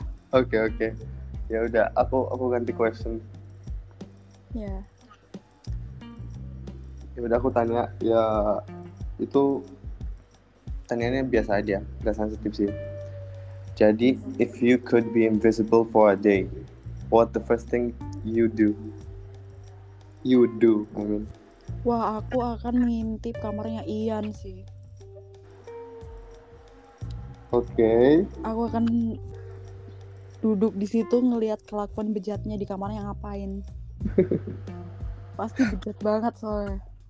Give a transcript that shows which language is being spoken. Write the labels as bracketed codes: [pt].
[id] Oke. Ya udah, aku ganti question. Ya. Ya udah aku tanya, ya itu tanyanya biasa aja, enggak sensitif sih. Jadi, [en] if you could be invisible for a day, what the first thing you do? I mean. [id] Wah, aku akan ngintip kamarnya Ian sih. Oke. [en] Okay. [id] Aku akan duduk di situ ngelihat kelakuan bejatnya di kamarnya ngapain. Pasti bejat banget soalnya.